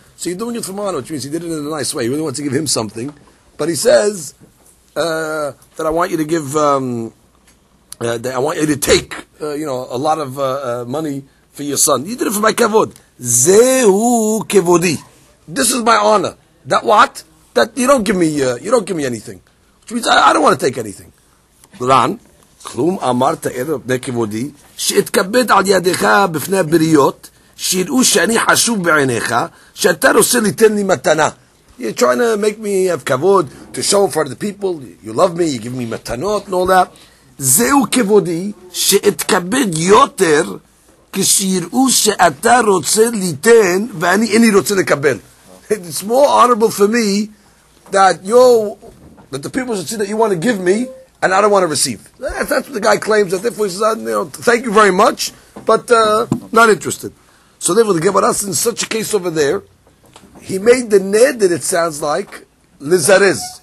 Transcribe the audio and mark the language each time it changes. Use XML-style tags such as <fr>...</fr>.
<en>So you're doing it for honor, which means he did it in a nice way. He really wants to give him something. But he says that I want you to give, that I want you to take, a lot of money for your son. You did it for my kevod.</en> <he>Zehu kevodi.</he> <en>This is my honor. That what? That you don't give me, anything. Which means I don't want to take anything. Lan.</en> <he>כלום אמרת ערב נקבודי שאתכבד על ידיך בפני הבריות שיראו שאני חשוב בעיניך שאתה רוצה לתן לי מתנה.</he> <en>You're trying to make me have כבוד to show for the people you love me, you give me מתנות and all that.</en> <he>זהו כבודי שאתכבד יותר כשיראו שאתה רוצה לתן ואני איני רוצה לקבל.</he> <en>It's more honorable for me that the people should see that you want to give me and I don't want to receive. That's what the guy claims. That therefore he says, thank you very much, but not interested. So therefore the Gemara, in such a case over there, he made the neder, it sounds like, lizariz.</en>